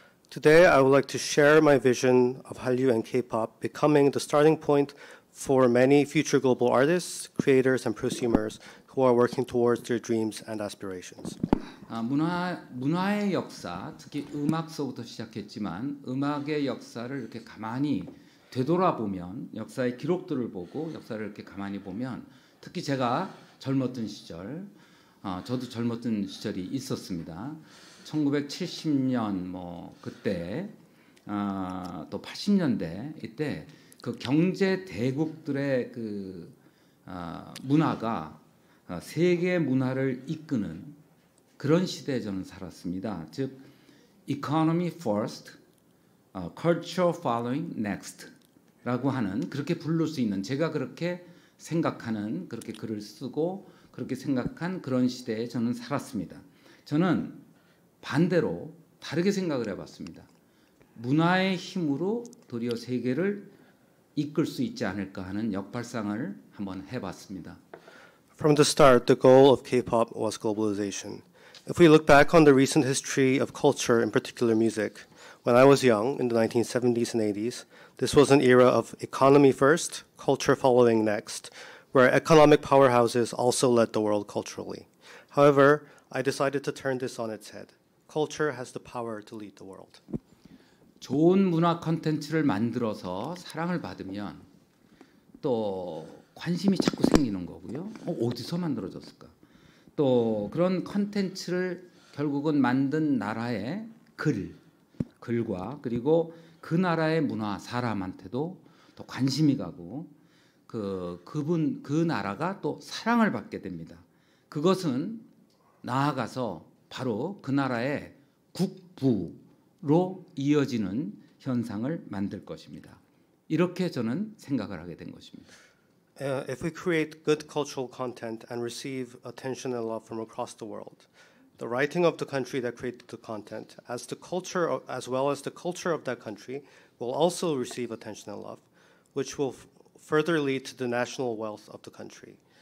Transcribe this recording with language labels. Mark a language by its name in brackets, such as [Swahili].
[English] Today I would like to share my vision of Hallyu and K-pop becoming the starting point for many future global artists, creators and prosumers who are working towards their dreams and aspirations. [Korean] 문화의 역사, 특히 음악서부터 시작했지만 음악의 역사를 이렇게 가만히 되돌아보면 역사의 기록들을 보고 역사를 이렇게 가만히 보면 특히 제가 젊었던 시절, 저도 젊었던 시절이 있었습니다. 1970년 뭐 그때 또 80년대 이때 그 경제 대국들의 그 문화가 세계 문화를 이끄는 그런 시대에 저는 살았습니다. 즉, economy first, culture following next 라고 하는 그렇게 부를 수 있는 제가 그렇게 생각하는 그렇게 글을 쓰고 그렇게 생각한 그런 시대에 저는 살았습니다. 저는 반대로 다르게 생각을 해봤습니다. 문화의 힘으로 도리어 세계를 이끌 수 있지 않을까 하는 역발상을 한번 해봤습니다. [English] From the start, the goal of K-pop was globalization. If we look back on the recent history of culture, in particular music, when I was young, in the 1970s and 80s, this was an era of economy first, culture following next, where economic powerhouses also led the world culturally. However, I decided to turn this on its head. Culture has the power to lead the world. [Korean] 좋은 문화 콘텐츠를 만들어서 사랑을 받으면 또 관심이 자꾸 생기는 거고요. 어디서 만들어졌을까? 또 그런 콘텐츠를 결국은 만든 나라의 글과 그리고 그 나라의 문화 사람한테도 더 관심이 가고 그 나라가 또 사랑을 받게 됩니다. 그것은 나아가서 바로 그 나라의 국부로 이어지는 현상을 만들 것입니다. 이렇게 저는 생각을 하게 된 것입니다. [English] If we create good cultural content and receive attention and love from across the world, the writing of the country that created the content, as the culture as well as the culture of that country, will also receive attention and love, which will further lead to the national wealth of the country.